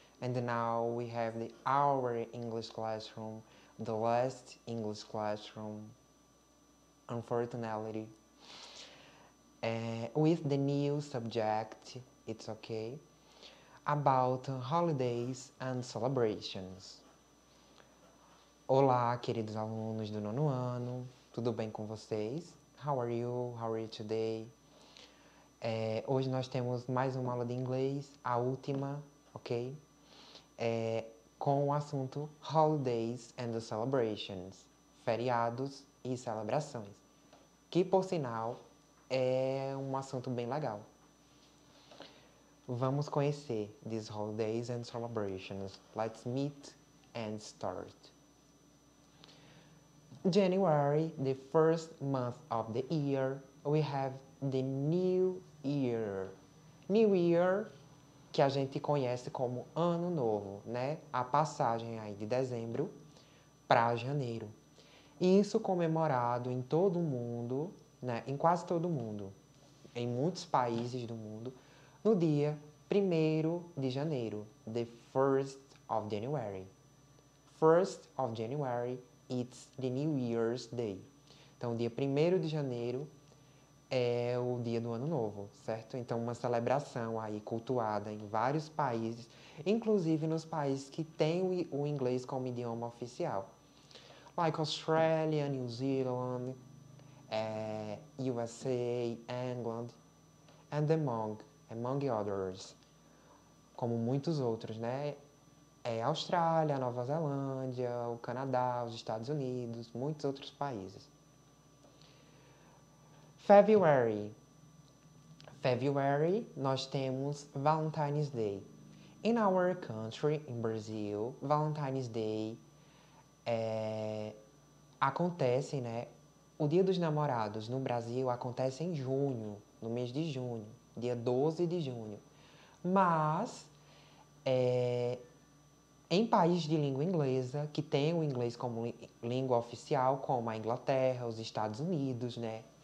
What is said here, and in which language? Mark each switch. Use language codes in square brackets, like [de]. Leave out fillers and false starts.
[en] And now we have our English classroom, the last English classroom, unfortunately. With the new subject, it's okay, about holidays and celebrations. [pt] Olá, queridos alunos do nono ano, tudo bem com vocês? [en] How are you? How are you today? [pt] Hoje nós temos mais uma aula de inglês, a última, ok? Com o assunto [en] holidays and the celebrations, [pt] feriados e celebrações, que, por sinal, é um assunto bem legal. Vamos conhecer [en] these holidays and celebrations. Let's meet and start. January, the first month of the year, we have the new year. New year, [pt] que a gente conhece como ano novo, né? A passagem aí de dezembro para janeiro. Isso comemorado em todo o mundo, né? Em quase todo o mundo, em muitos países do mundo, no dia 1º de janeiro, [en] the 1st of January. 1st of January, it's the New Year's Day. [pt] Então, dia 1º de janeiro é o dia do ano novo, certo? Então, uma celebração aí cultuada em vários países, inclusive nos países que têm o inglês como idioma oficial. [en] Like Australia, New Zealand, USA, England, and among others. [pt] Como muitos outros, né? Austrália, Nova Zelândia, o Canadá, os Estados Unidos, muitos outros países. [en] February. February, [pt] nós temos [en] Valentine's Day. In our country, in Brazil, Valentine's Day [pt] acontece, né? O Dia dos Namorados no Brasil acontece em junho, no mês de junho, dia 12 de junho. Mas, em países de língua inglesa, que tem o inglês como língua oficial, como a Inglaterra, os Estados Unidos, né?